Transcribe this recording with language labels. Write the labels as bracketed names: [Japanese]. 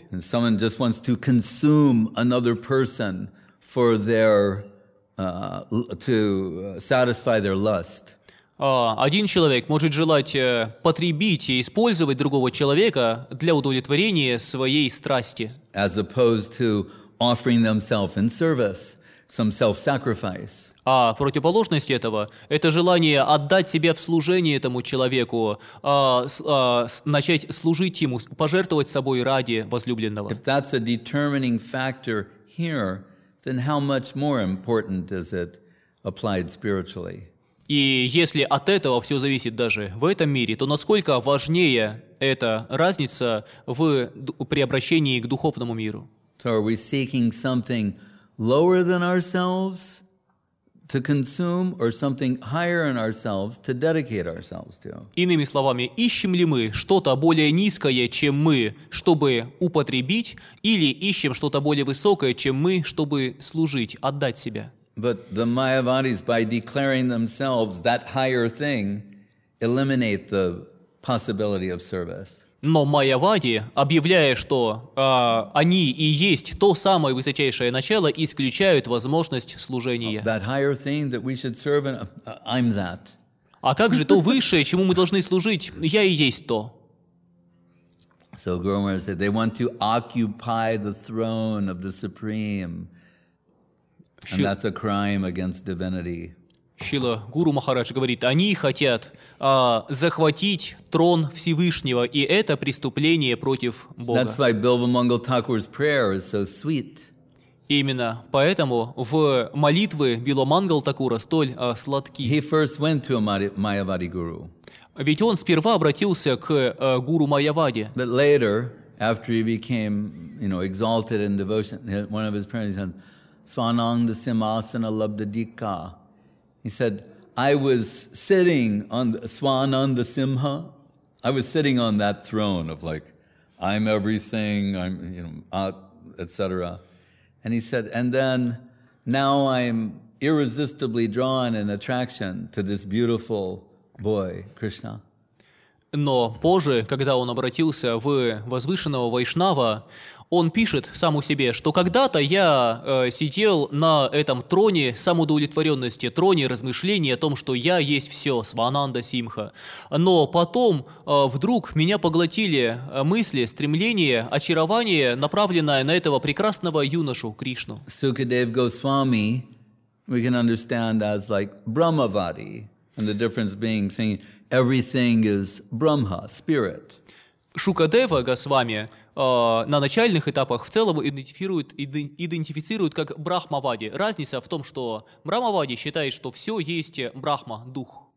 [English] And someone just wants to consume another person for their to satisfy their lust. [Russian] Один человек может желать потребить и использовать другого человека для удовлетворения своей страсти. [English] As opposed to offering themselves in service, some self-sacrifice. [Russian] А противоположность этого – это желание отдать себя в служение этому человеку, начать служить ему, пожертвовать собой ради возлюбленного. [English] If that's a determining factor here, then how much more important is it applied spiritually? [Russian] И если от этого все зависит даже в этом мире, то насколько важнее эта разница в при обращении к духовному миру? [English] So are we seeking something lower than ourselves to consume, or something higher in ourselves to dedicate ourselves to? [Russian] Иными словами, ищем ли мы что-то более низкое, чем мы, чтобы употребить, или ищем что-то более высокое, чем мы, чтобы служить, отдать себя? [English] But the Mayavadis, by declaring themselves that higher thing, eliminate the possibility of service. [Russian] Но Майявади, объявляя, что они и есть то самое высочайшее начало, исключают возможность служения. [English] Oh, that higher thing that we should serve, I'm that. [Russian] А как же то высшее, чему мы должны служить? Я и есть то. [English] So Guru Maharaj said, they want to occupy the throne of the Supreme. And that's a crime against divinity. [Russian] Шрила Гуру Махарадж говорит, они хотят захватить трон Всевышнего, и это преступление против Бога. [English] That's why Bilva Mangal Thakur's prayer is so sweet. [Russian] Именно поэтому в молитвы Бильва Мангал Такура столь сладки. [English] He first went to a Mayavadi guru. [Russian] Ведь он сперва обратился к гуру Майявади. [English] But later, after he became, you know, exalted in devotion, one of his parents said, [Sanskrit] Svanang the Simasana Labdadika. [English] He said, I was sitting on Svanang the Simha. I was sitting on that throne of like, I'm everything, I'm, you know, etc. And he said, and then now I'm irresistibly drawn in attraction to this beautiful boy, Krishna. [Russian] Но позже, когда он обратился в возвышенного Вайшнава, он пишет сам у себе, что когда-то я сидел на этом троне самоудовлетворенности, троне размышлений о том, что я есть все, Свананда Симха. Но потом вдруг меня поглотили мысли, стремления, очарование, направленное на этого прекрасного юношу Кришну. [English] Sukadev Goswami, we can understand as like Brahmavadi, and the difference being thinking everything is Brahma, spirit. [Russian] Шукадева Госвами на начальных этапах в целом идентифицирует как Брахмавади. Разница в том, что Брахмавади считает, что все есть Брахма, дух.